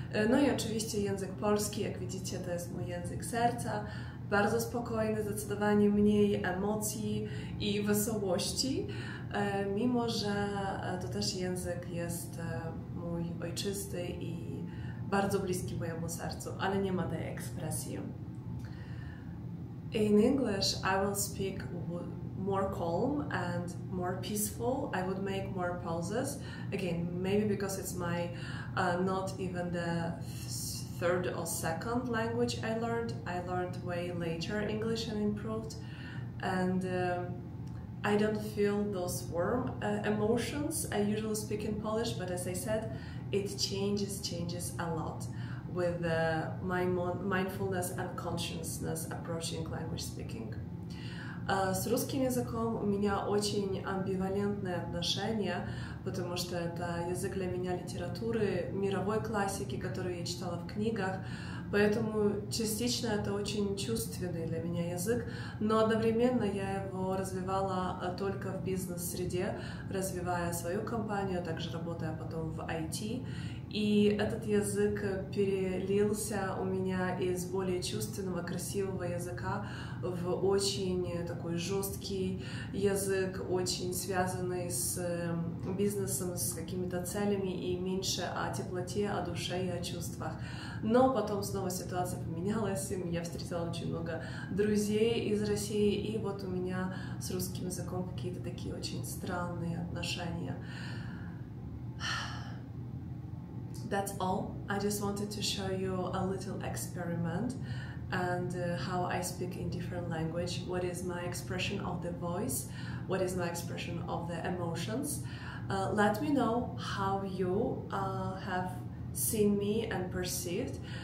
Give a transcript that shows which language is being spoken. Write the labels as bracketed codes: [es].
[pl] No i oczywiście język polski, jak widzicie, to jest mój język serca. Bardzo spokojny, zdecydowanie mniej emocji i wesołości, mimo że to też język jest mój ojczysty i bardzo bliski mojemu sercu, ale nie ma tej ekspresji. [en] In English, I will speak more calm and more peaceful. I would make more pauses. Again, maybe because it's my not even the third or second language I learned. I learned way later English and improved. And I don't feel those warm emotions I usually speak in Polish, but as I said, it changes a lot with my mindfulness and consciousness approaching language speaking. [ru] С русским языком у меня очень амбивалентные отношения, потому что это язык для меня литературы, мировой классики, которую я читала в книгах, поэтому частично это очень чувственный для меня язык, но одновременно я его развивала только в бизнес-среде, развивая свою компанию, а также работая потом в IT. И этот язык перелился у меня из более чувственного, красивого языка в очень такой жесткий язык, очень связанный с бизнесом, с какими-то целями и меньше о теплоте, о душе и о чувствах. Но потом снова ситуация поменялась, и я встретила очень много друзей из России, и вот у меня с русским языком какие-то такие очень странные отношения. [en] That's all. I just wanted to show you a little experiment and how I speak in different language, what is my expression of the voice, what is my expression of the emotions. Let me know how you have seen me and perceived.